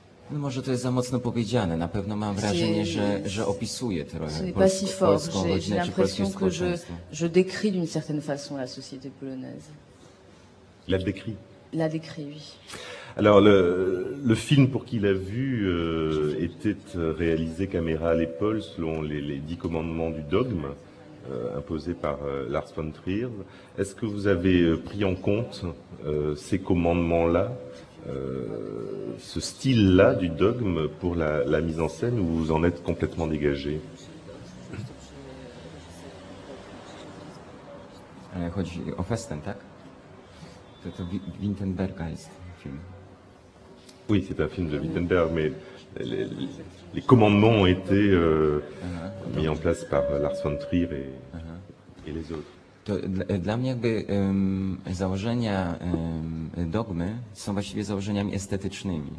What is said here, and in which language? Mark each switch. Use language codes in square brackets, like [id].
[pl] No może to jest za mocno powiedziane. Na pewno mam wrażenie, że opisuję trochę polską rodzinę czy polskie społeczeństwo. [fr] Je décris d'une certaine façon la société polonaise. La décrit. La décrit, oui. Alors le film pour qui l'a vu était réalisé caméra à l'épaule selon les 10 commandements du dogme imposé par Lars von Trier. Est-ce que vous avez pris en compte ces commandements-là? Ce style-là du dogme pour la mise en scène où vous en êtes complètement dégagé. [pl] Ale chodzi o Festen, tak? To Wittenberga jest film. [fr] Oui, c'est un film de Wittenberg, mais les commandements ont été mis en place par Lars von Trier et les autres. [pl] To dla mnie jakby założenia dogmy są właściwie założeniami estetycznymi.